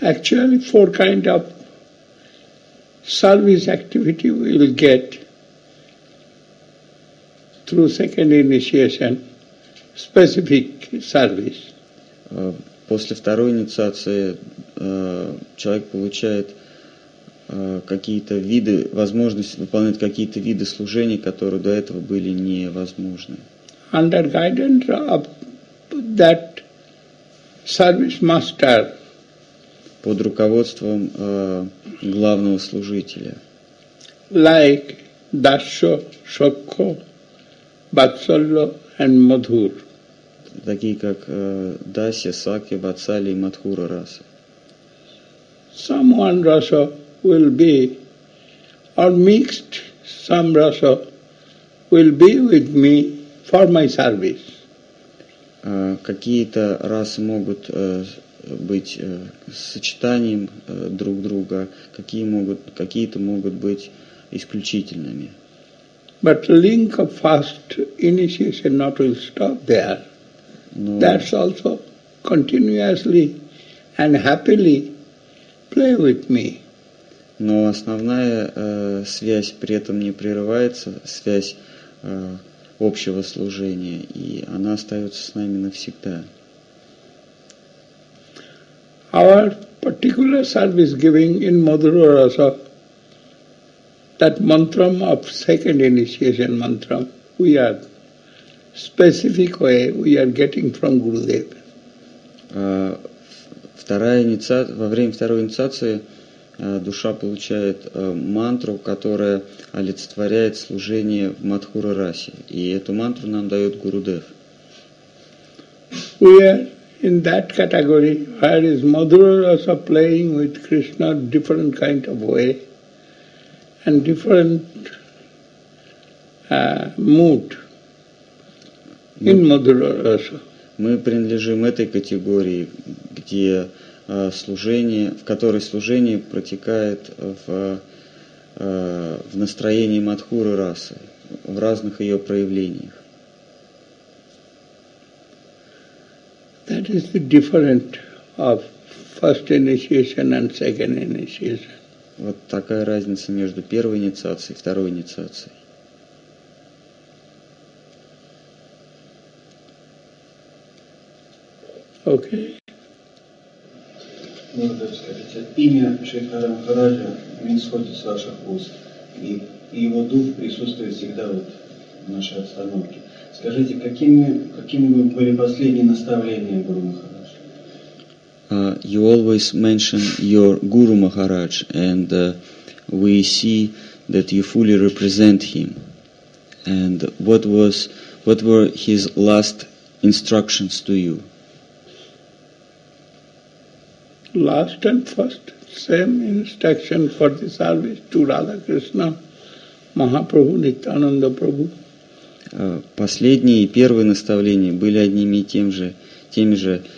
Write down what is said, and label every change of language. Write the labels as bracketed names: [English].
[English] Actually, four kind of service activity we will get through second initiation specific service. [Russian] После второй инициации человек получает какие-то виды, возможность выполнять какие-то виды служения, которые до этого были невозможны. [English] Under guidance of that service master. [Russian] Под руководством главного служителя. [English] Like Dasho, Shokho, Batsallo and Madhur. [Russian] Такие как Дасья, Сакья, Ватсали и Мадхура раса. [English] Some one rasa will be, or mixed some rasa will be with me for my service. [Russian] Какие-то расы могут быть сочетанием друг друга, какие-то могут быть исключительными. [English] But link of first initiation not will stop there. No. That's also continuously and happily play with me. [Russian] Но основная связь при этом не прерывается, связь общего служения, и она остается с нами навсегда. [English] Our particular service giving in Madhura Rasa, that mantra of second initiation mantra, we are specific way we are getting from Gurudev. [Russian] Во время второй инициации душа получает мантру, которая олицетворяет служение в Мадхура Расе. И эту мантру нам дает Гурудев. [English] We are in that category where is Madhura Rasa playing with Krishna different kind of way and different mood. [Russian] Мы принадлежим этой категории, где служение, в которой служение протекает в настроении Мадхуры расы, в разных ее проявлениях. [English] That is the difference of first initiation and second initiation. [Russian] Вот такая разница между первой инициацией и второй инициацией. [English] Okay. [Russian] Имя Шейхара Махараджа не исходит с ваших уст, и его дух присутствует всегда вот в нашей обстановке. Скажите, какими были последние наставления Гуру Махараджа? [English] You always mention your Guru Maharaj, and we see that you fully represent him. And what were his last instructions to you? Last and first, same instruction for the service to Radha Krishna, Mahaprabhu, Nityananda Prabhu. [Russian] Последние и первые наставления были одними и теми же.